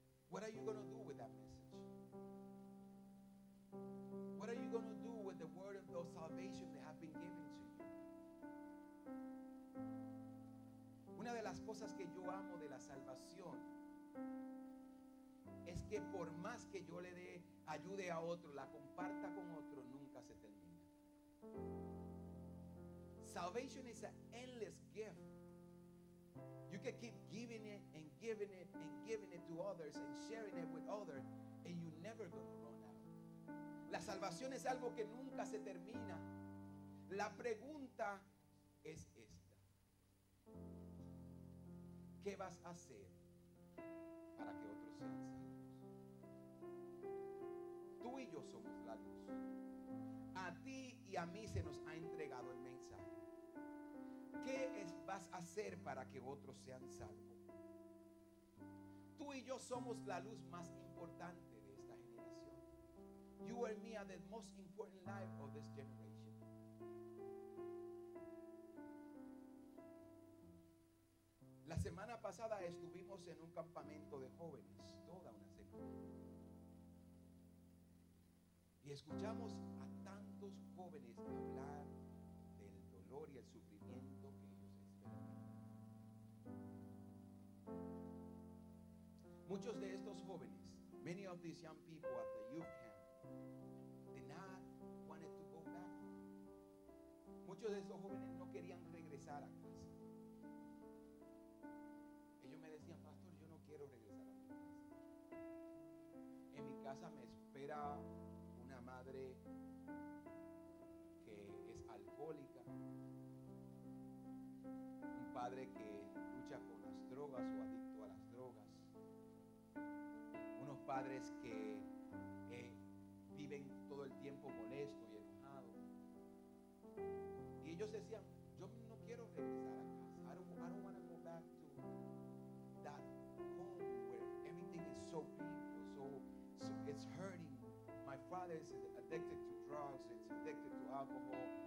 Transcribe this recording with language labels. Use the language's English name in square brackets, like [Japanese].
[English] What are you going to do with that message? What are you going to do with the word of the salvation that has been given to you? [Spanish] Una de las cosas que yo amo de la salvación es que por más que yo le dé, ayude a otro, la comparta con otro, nunca se termina. [English] Salvation is an endless gift. You can keep giving it and giving it and giving it to others and sharing it with others and you never gonna run out. [Spanish] La salvación es algo que nunca se termina. La pregunta es esta: ¿qué vas a hacer para que otros sean salvos? Tú y yo somos la luz. A ti y a mí se nos ha entregado el mensaje. ¿Qué vas a hacer para que otros sean salvos? Tú y yo somos la luz más importante de esta generación. [English] You and me are the most important life of this generation. [Spanish] La semana pasada estuvimos en un campamento de jóvenes, toda una semana. Y escuchamos a tantos jóvenes hablar del dolor y el sufrimiento que ellos experimentan. Muchos de estos jóvenes, [English] many of these young people at the youth camp, did not want to go back. [Spanish] Muchos de estos jóvenes no querían regresar a casa. Ellos me decían, pastor, yo no quiero regresar a mi casa. En mi casa me espera una madre que es alcohólica, un padre que lucha con las drogas o adicto a las drogas, unos padres que viven todo el tiempo molesto y enojado. Y ellos decían, yo no quiero regresar a casa. [English] I don't want to go back to that home where everything is so painful, so it's hurting. My father is addicted to drugs, it's addicted to alcohol.